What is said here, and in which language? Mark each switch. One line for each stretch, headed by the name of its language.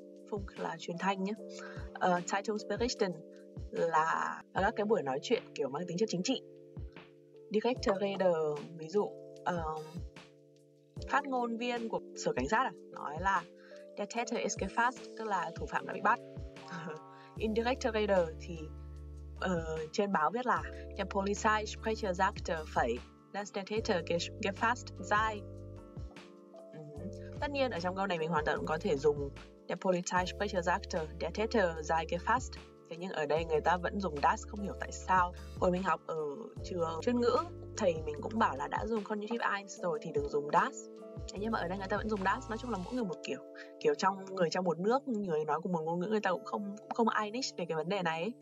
Vietnamese: Funk là truyền thanh nhé. Zeitungsberichten là các cái buổi nói chuyện kiểu mang tính chất chính trị. Direktorator, ví dụ phát ngôn viên của sở cảnh sát nói là
German: Der Täter ist gefasst,
Vietnamese: tức là thủ phạm đã bị bắt.
German: Indirektorator
Vietnamese: thì trên báo viết là
German: Der Polizeisprecher sagte, dass der Täter gefasst sei.
Vietnamese: Tất nhiên ở trong câu này mình hoàn toàn có thể dùng
German: Der Polizeisprecher sagte, der Täter sei gefasst.
Vietnamese: Thế nhưng ở đây người ta vẫn dùng das, không hiểu tại sao. Hồi mình học ở trường chuyên ngữ, thầy mình cũng bảo là đã dùng conjunctivitis rồi thì đừng dùng das. Thế nhưng mà ở đây người ta vẫn dùng das, nói chung là mỗi người một kiểu. Kiểu trong người trong một nước, người nói cùng một ngôn ngữ, người ta cũng không Einig về cái vấn đề này.